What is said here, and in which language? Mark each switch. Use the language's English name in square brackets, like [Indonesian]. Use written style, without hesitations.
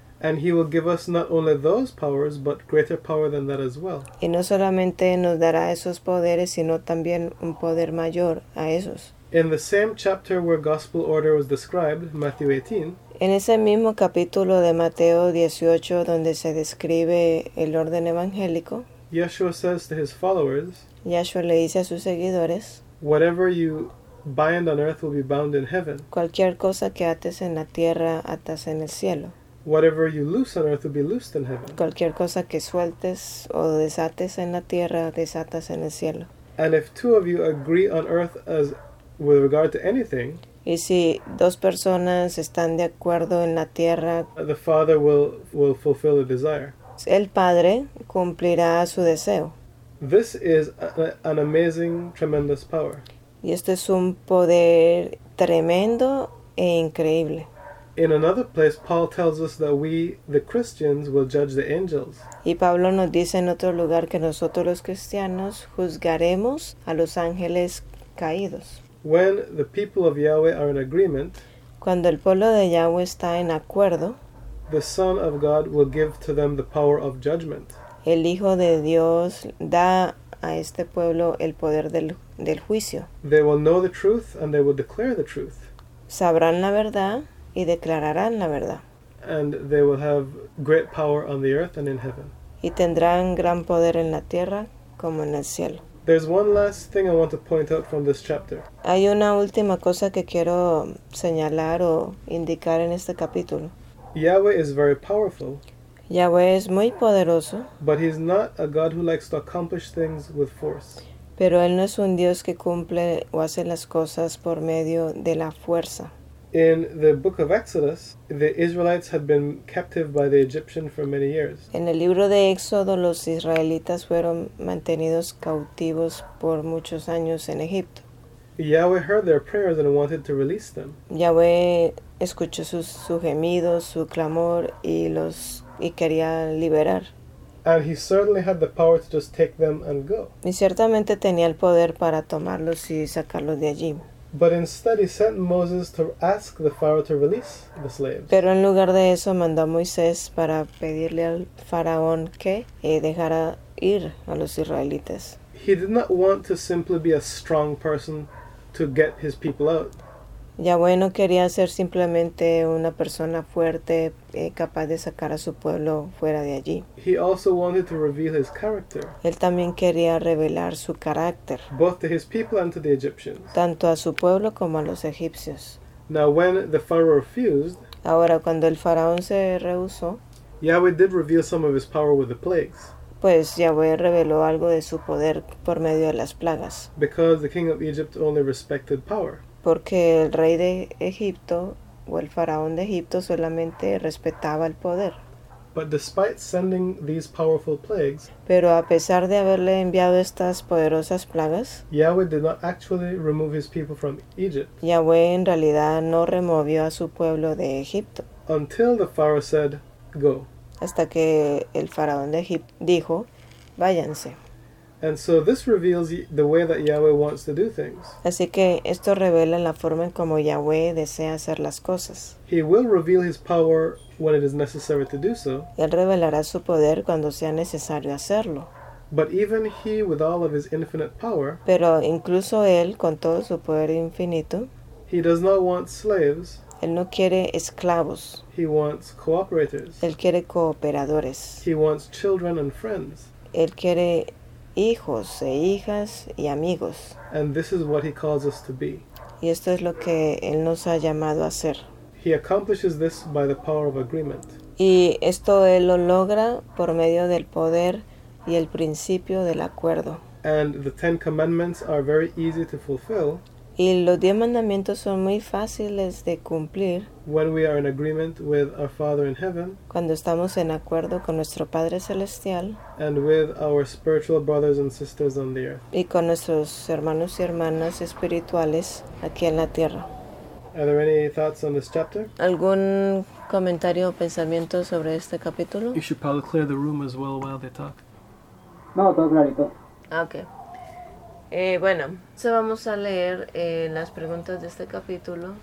[English] And he will give us not only those powers, but greater power than that as well. [Spanish] Y no solamente nos dará esos poderes, sino también un poder mayor a esos. [English] In the same chapter where gospel order was described, Matthew 18. [Spanish] En ese mismo capítulo de Mateo 18, donde se describe el orden evangélico. [English] Yeshua says to his followers. [Spanish] Yeshua le dice a sus seguidores. [English] Whatever you bind on earth will be bound in heaven. [Spanish] Cualquier cosa que ates en la tierra, atas en el cielo. [English] Whatever you loose on earth will be loosed in heaven. [Spanish] Cualquier cosa que sueltes o desates en la tierra, desatas en el cielo. [English] And if two of you agree on earth as with regard to anything, [Spanish] y si dos personas están de acuerdo en la tierra, [English] the Father will fulfill the desire. [Spanish] El Padre cumplirá su deseo. [English] This is an amazing, tremendous power. [Spanish] Y este es un poder tremendo e increíble. [English] In another place, Paul tells us that we, the Christians, will judge the angels. [Spanish] Y Pablo nos dice en otro lugar que nosotros los cristianos juzgaremos a los ángeles caídos. [English] When the people of Yahweh are in agreement, [Spanish] cuando el pueblo de Yahweh está en acuerdo, [English] the Son of God will give to them the power of judgment. [Spanish] El Hijo de Dios da a este pueblo el poder del juicio. [English] They will know the truth and they will declare the truth. [Spanish] Sabrán la verdad y declararán la verdad. [English] And they will have great power on the earth and in heaven. [Spanish] Y tendrán gran poder en la tierra como en el cielo. [English] There's one last thing I want to point out from this chapter. [Spanish] Hay una última cosa que quiero señalar o indicar en este capítulo. [English] Yahweh is very powerful. [Spanish] Yahweh es muy poderoso. [English] But he's not a God who likes to accomplish things with force. [Spanish] Pero él no es un Dios que cumple o hace las cosas por medio de la fuerza. [English] In the book of Exodus, the Israelites had been captive by the Egyptian for many years. [Spanish] En el libro de Éxodo, los israelitas fueron mantenidos cautivos por muchos años en Egipto. [English] Yahweh heard their prayers and wanted to release them. [Spanish] Yahweh escuchó su gemido, su clamor y quería liberar. [English] And he certainly had the power to just take them and go. [Spanish] Y ciertamente tenía el poder para tomarlos y sacarlos de allí. [English] But instead, he sent Moses to ask the Pharaoh to release the slaves. [Spanish] Pero en lugar de eso, mandó a Moisés para pedirle al faraón que dejara ir a los israelitas. [English] He did not want to simply be a strong person to get his people out. [Spanish] Yahweh no quería ser simplemente una persona fuerte, capaz de sacar a su pueblo fuera de allí. [English] He also wanted to reveal his character. [Spanish] Él también quería revelar su carácter. [English] Both to his people and to the Egyptians. [Spanish] Tanto a su pueblo como a los egipcios. [English] Now when the Pharaoh refused, [Spanish] ahora cuando el faraón se rehusó, [English] Yahweh did reveal some of his power with the plagues. [Spanish] Pues Yahweh reveló algo de su poder por medio de las plagas. [English] Because the king of Egypt only respected power. [Spanish] Porque el rey de Egipto o el faraón de Egipto solamente respetaba el poder. [English] But despite sending these powerful plagues, [Spanish] pero a pesar de haberle enviado estas poderosas plagas, [English] Yahweh did not actually remove his people from Egypt. [Spanish] Yahweh en realidad no removió a su pueblo de Egipto. [English] Until the Pharaoh said, "Go." [Spanish] Hasta que el faraón de Egipto dijo, "Váyanse." [English] And so this reveals the way that Yahweh wants to do things. [Spanish] Así que esto revela la forma en como Yahweh desea hacer las cosas. [English] He will reveal his power when it is necessary to do so. [Spanish] Él revelará su poder cuando sea necesario hacerlo. [English] But even he, with all of his infinite power, [Spanish] pero incluso él con todo su poder infinito, [English] he does not want slaves. [Spanish] Él no quiere esclavos. [English] He wants cooperators. [Spanish] Él quiere cooperadores. [English] He wants children and friends. [Spanish] Él quiere hijos e hijas y amigos. [English] And this is what he calls us to be. [Spanish] Y esto es lo que él nos ha llamado a hacer. [English] He accomplishes this by the power of agreement. [Spanish] Y esto él lo logra por medio del poder y el principio del acuerdo. [English] And the Ten Commandments are very easy to fulfill. [Spanish] Y los 10 mandamientos son muy fáciles de cumplir. [English] When we are in agreement with our Father in heaven, [Spanish] cuando estamos en acuerdo con nuestro Padre celestial, [English] and with our spiritual brothers and sisters on the earth, [Spanish] y con nuestros hermanos y hermanas espirituales aquí en la tierra. [English] Are there any thoughts on this chapter? [Spanish] ¿Algún comentario o pensamiento sobre este capítulo? [English] You should probably clear the room as well while they talk. [Spanish] No, todo clarito. [English] Okay. [Spanish] Bueno, se vamos a leer las preguntas de este capítulo.